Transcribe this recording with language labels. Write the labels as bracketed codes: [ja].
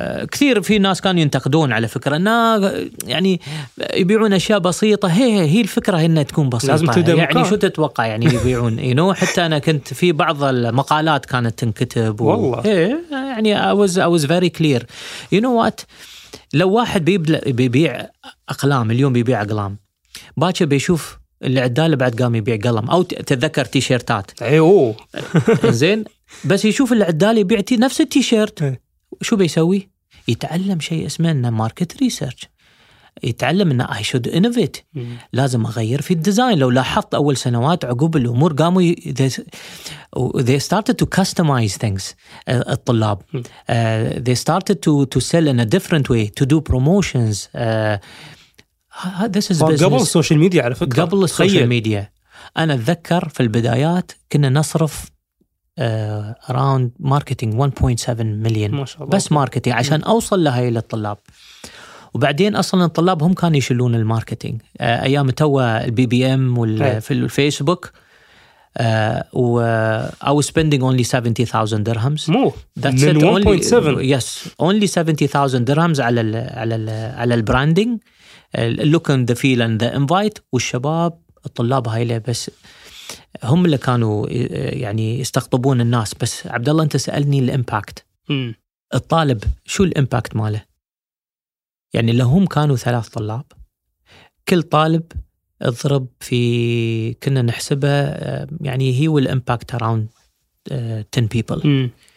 [ar] كثير في ناس كانوا ينتقدون على فكرة يعني يبيعون أشياء بسيطة، هي الفكرة إنها تكون بسيطة، لازم يعني شو تتوقع يعني يبيعون إنه حتى أنا كنت في بعض المقالات كانت تنكتب والله [en] يعني I was very clear. You know what، [ar] لو واحد بيبيع أقلام اليوم، بيبيع أقلام، باكر بيشوف العدالة بعد قام يبيع قلم، أو تتذكر تيشيرتات زين، بس يشوف العدالة يبيع نفس التيشيرت، شو بيسوي؟ يتعلم شيء اسمه إنه ماركت ريسيرش، يتعلم إنه [en] I should innovate، [ar] لازم أغير في الديزاين. لو لاحظت أول سنوات عقب الأمور قاموا [en] they started to customize things، الطلاب they started to sell in a different way، to do promotions. This is business. [ar] قبل السوشيال ميديا على فكرة، قبل السوشيال ميديا. أنا أتذكر في البدايات كنا نصرف [en] around marketing 1.7 million [ar] ما شاء الله، بس ماركتينج عشان أوصل لهاي للطلاب. وبعدين أصلا الطلاب هم كانوا يشلون الماركتينج أيام توا البي بي ام في الفيسبوك، و [en] I was spending only 70,000 dirhams. [ar] مو [en] that's [ar] من 1.7 [en] yes only 70,000 dirhams [ar] على الـ على الـ على البراندينج، [en] look and the feel and the invite. [ar] والشباب الطلاب هاي له بس هم اللي كانوا يعني يستقطبون الناس. بس عبد الله انت سألني الامباكت، الطالب شو الامباكت ماله؟ يعني لو هم كانوا 3 طلاب كل طالب اضرب في، كنا نحسبها يعني هي والامباكت around 10 people.